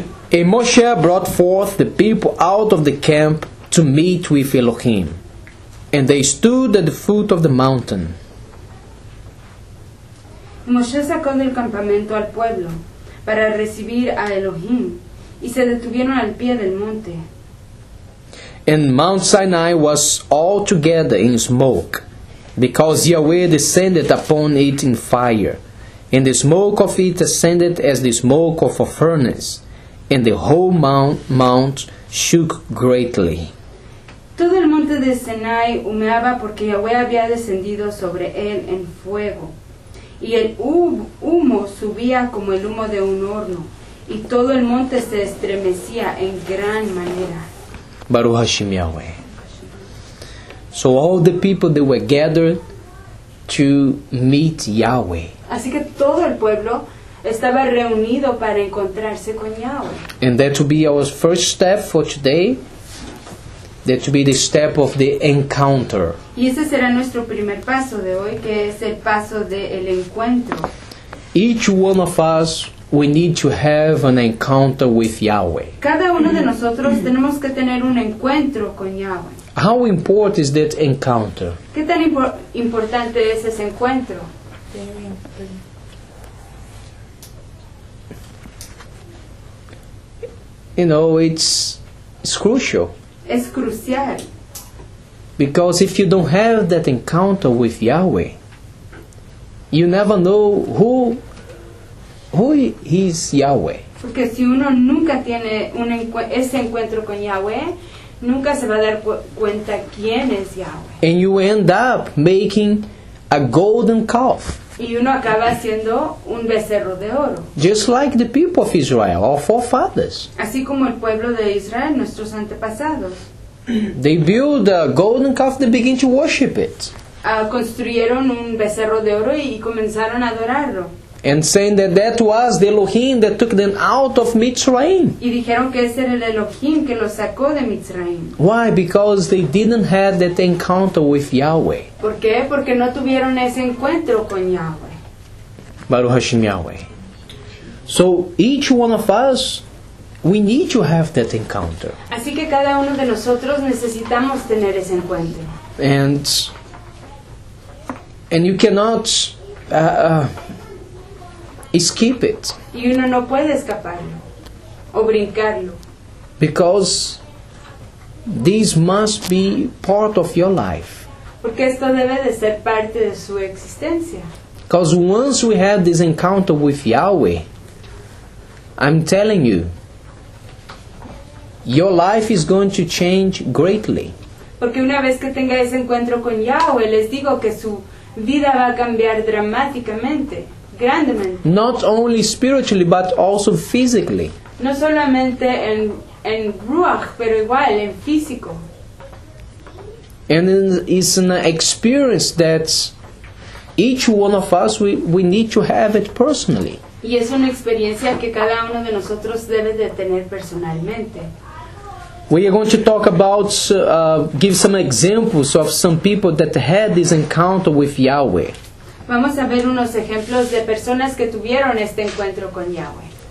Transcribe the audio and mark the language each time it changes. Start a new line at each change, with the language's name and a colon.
English: And Moshe brought forth the people out of the camp to meet with Elohim, and they stood at the foot of the mountain.
Spanish: Moshe sacó del campamento al pueblo para recibir a Elohim, y se detuvieron al pie del monte.
English: And Mount Sinai was altogether in smoke, because Yahweh descended upon it in fire, and the smoke of it ascended as the smoke of a furnace, and the whole mount shook greatly.
Spanish: Todo el monte de Sinai humeaba porque Yahweh había descendido sobre él en fuego, y el humo subía como el humo de un horno, y todo el monte se estremecía en gran manera.
Hebrew: Baruch Hashem Yahweh.
English: So all the people that were gathered to meet Yahweh.
Spanish: Así que todo el pueblo estaba reunido para encontrarse con Yahweh.
English: And that will be our first step for today. That will be the step of the encounter.
Spanish: Y ese será nuestro primer paso de hoy, que es el paso del encuentro.
English: Each one of us, we need to have an encounter with Yahweh.
Spanish: Cada uno de nosotros tenemos que tener un encuentro con Yahweh.
English: How important is that encounter?
Spanish: ¿Qué tan importante es ese encuentro?
English: You know, it's crucial.
Spanish: Es crucial.
English: Because if you don't have that encounter with Yahweh, you never know who is Yahweh.
Spanish: Porque si uno nunca tiene ese encuentro con Yahweh, nunca se va a dar cuenta quién es Yahweh.
English: And you end up making a golden calf.
Spanish: Y uno acaba haciendo un becerro de oro.
English: Just like the people of Israel, our forefathers.
Spanish: Así como el pueblo de Israel, nuestros antepasados.
English: They build a golden calf, they begin to worship it.
Spanish: Construyeron un becerro de oro y comenzaron a adorarlo.
English: And saying that was the Elohim that took them out of Mitzrayim.
Spanish: Y dijeron que ese era el Elohim que los sacó de Mitzrayim.
English: Why? Because they didn't have that encounter with Yahweh.
Spanish: ¿Por qué? Porque no tuvieron ese encuentro con Yahweh.
Hebrew: Baruch Hashem Yahweh.
English: So each one of us, we need to have that encounter.
Spanish: Así que cada uno de nosotros necesitamos tener ese encuentro.
English: And you cannot skip it.
Spanish: Y uno no puede escaparlo o brincarlo.
English: Because this must be part of your life.
Spanish: Porque esto debe de ser parte de su existencia.
English: Because once we have this encounter with Yahweh, I'm telling you, your life is going to change greatly.
Spanish: Porque una vez que tenga ese encuentro con Yahweh, les digo que su vida va a cambiar dramáticamente, grandemente.
English: Not only spiritually, but also physically.
Spanish: No solamente en Ruach, pero igual en físico.
English: And it's an experience that each one of us we need to have it personally.
Spanish: Y es una experiencia que cada uno de nosotros debe de tener personalmente.
English: We are going to talk about, give some examples of some people that had this encounter with Yahweh.
Spanish: Vamos a ver unos ejemplos de personas que tuvieron este encuentro con Yahweh.